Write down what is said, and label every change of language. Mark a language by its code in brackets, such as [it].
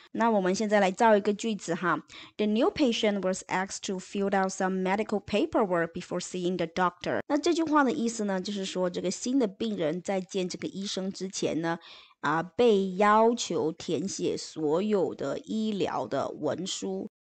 [zh] 那我们现在来造一个句子哈。 [en] The new patient was asked to fill out some medical paperwork before seeing the doctor. [zh] 那这句话的意思呢，就是说这个新的病人在见这个医生之前呢，啊，被要求填写所有的医疗的文书。